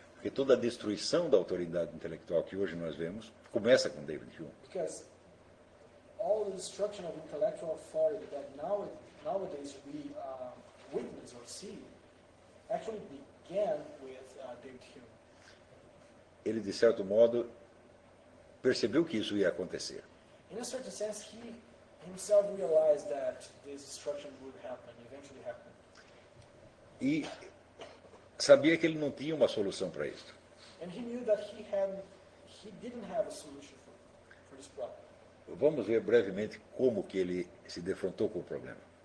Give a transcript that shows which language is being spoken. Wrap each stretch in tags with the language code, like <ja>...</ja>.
<pt>Porque toda a destruição da autoridade intelectual que hoje nós vemos começa com David Hume.</pt> <en>Because all the destruction of intellectual authority that nowadays we witness or see actually began with David Hume.</en> <pt>Ele, de certo modo, percebeu que isso ia acontecer.</pt> <en>In a certain sense, he himself realized that this destruction would happen, eventually happen.</en> <pt>E sabia que ele não tinha uma solução para isso.</pt> <en>And he knew that he didn't have a solution for this problem.</en> <pt>Vamos ver brevemente como que ele se defrontou com o problema.</pt>